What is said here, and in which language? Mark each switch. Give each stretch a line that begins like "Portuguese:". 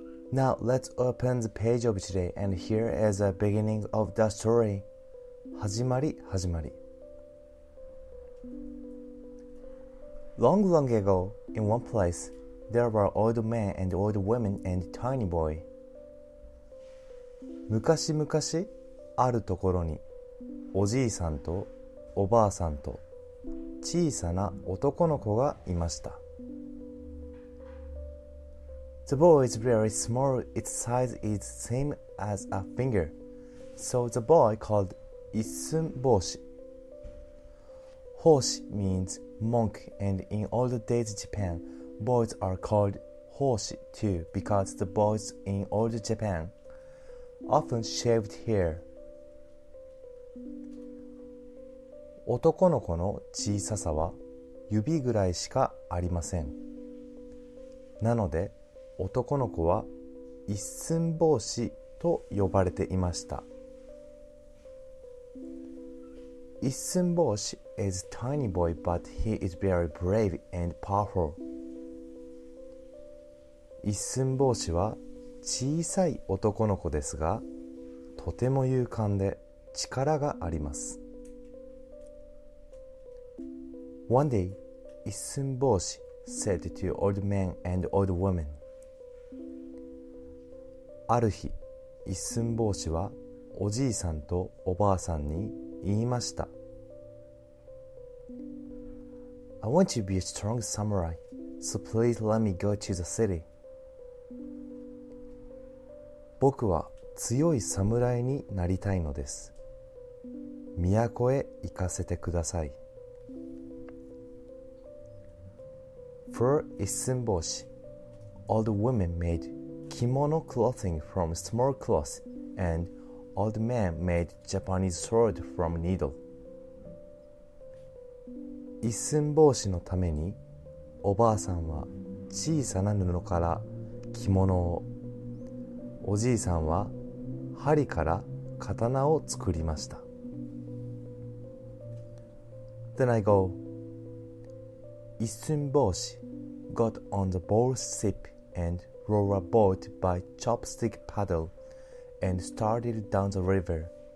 English: Now, let's open the page of today, and here is the beginning of the story.
Japanese: Hajimari, hajimari.
English: Long, long ago, in one place, there were old men and old women and tiny boy.
Japanese: 昔々あるところにおじいさんとおばあさんと小さな男の子がいました。
English: The boy is very small. Its size is same as a finger. So the boy called Issun-bōshi. 奉仕 means monk, and in old days Japan, boys are called 奉仕 too because the boys in old Japan. Often shaved hair.
Japanese: 男の子の小ささは指ぐらいしかありません。なので、男の子は一寸法師と呼ばれていました。
English: 一寸法師 is a tiny boy, but he is very brave and powerful.
Japanese: 一寸法師は小さい男の子ですが、とても勇敢で力があります。
English: One day, 一寸法師 said to old men and old women.
Japanese: ある日、一寸法師はおじいさんとおばあさんに言いました。
English: I want to be a strong samurai, so please let me go to the city.
Japanese: 僕は強い侍になりたいのです。都へ行かせてください。
English: For 一寸法師, old women made kimono clothing from small cloth, and old men made Japanese sword from needle.
Japanese: 一寸法師のために、おばあさんは小さな布から着物をおじいさんは針から刀を作りました。
English: Then I go. 一寸法師 got on the bowl ship and row a boat by chopstick paddle and started down the river.